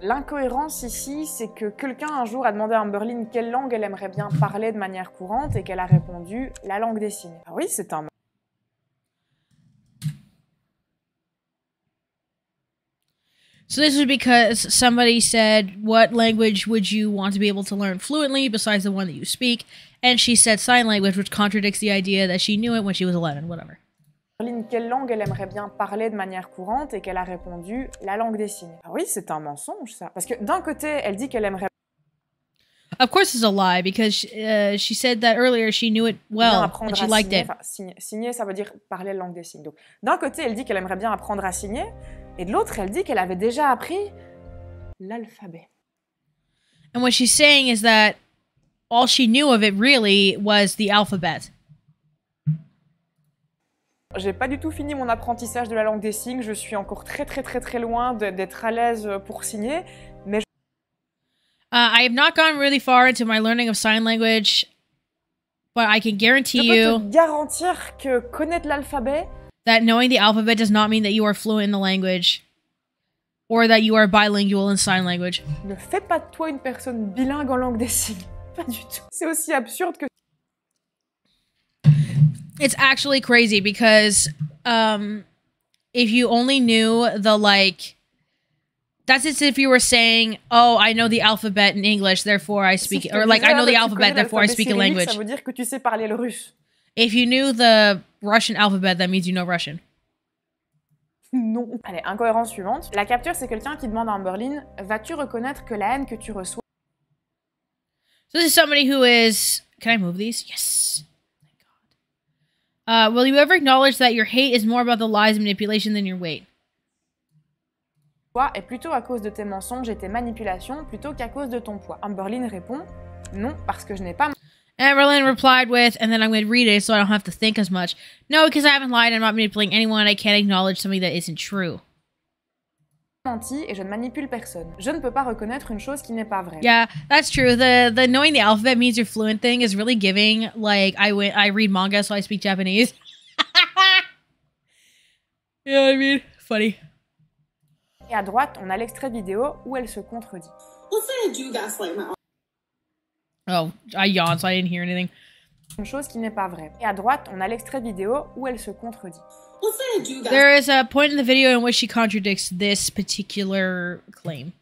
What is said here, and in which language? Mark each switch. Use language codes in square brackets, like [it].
[fr] L'incohérence ici, c'est que quelqu'un un jour a demandé à Amberlynn quelle langue elle aimerait bien parler de manière courante, et qu'elle a répondu, la langue des signes. Ah oui, c'est un... [en] So this is because somebody said, what language would you want to be able to learn fluently besides the one that you speak? And she said sign language, which contradicts the idea that she knew it when she was 11, whatever. [fr] Amberlynn, quelle langue elle aimerait bien parler de manière courante et qu'elle a répondu, la langue des signes. Ah oui, c'est un mensonge, ça. Parce que d'un côté, elle dit qu'elle aimerait... [en] Of course it's a lie, because she said that earlier she knew it well, and she liked [fr] signer, [en] it. [fr] Signer, ça veut dire parler la langue des signes. Donc, d'un côté, elle dit qu'elle aimerait bien apprendre à signer, et de l'autre, elle dit qu'elle avait déjà appris l'alphabet. [en] And what she's saying is that all she knew of it really was the alphabet. [fr] J'ai pas du tout fini mon apprentissage de la langue des signes, je suis encore très très très très loin d'être à l'aise pour signer, mais... [en] I have not gone really far into my learning of sign language, but I can guarantee you... [fr] Je peux te garantir que connaître l'alphabet... [en] That knowing the alphabet does not mean that you are fluent in the language. Or that you are bilingual in sign language. [fr] Ne fais pas de toi une personne bilingue en langue des signes. Pas du tout. C'est aussi absurde que... [en] It's actually crazy because... if you only knew the, like... That's as if you were saying, oh, I know the alphabet in English, therefore I speak... Or like, I know the alphabet, therefore I speak a language. [fr] Ça veut dire que tu sais parler le russe. [en] If you knew the Russian alphabet, that means you know Russian. [fr] Non. Allez, incohérence suivante. La capture, c'est quelqu'un qui demande à Amberlynn, vas-tu reconnaître que la haine que tu reçois... [en] So this is somebody who is... Can I move these? Yes. Thank God. Will you ever acknowledge that your hate is more about the lies and manipulation than your weight? [fr] Toi, est plutôt à cause de tes mensonges et tes manipulations plutôt qu'à cause de ton poids. Amberlynn répond, non, parce que je n'ai pas... [en] Amberlynn replied with, and then I'm going to read it so I don't have to think as much. No, because I haven't lied, I'm not manipulating anyone, I can't acknowledge something that isn't true. [fr] Menti et je ne manipule personne. Je ne peux pas reconnaître une chose qui n'est pas vraie. [en] Yeah, that's true. The knowing the alphabet means you're fluent thing is really giving, like, I read manga so I speak Japanese. You know what I mean? Funny. [fr] Et à droite, on a l'extrait vidéo où elle se contredit. [en] Let's say I do gaslight my... Oh, I yawned, so I didn't hear anything. [fr] Une chose qui n'est pas vraie. Et à droite, on a l'extrait vidéo où elle se contredit. [en] Let's say I do that. There is a point in the video in which she contradicts this particular claim.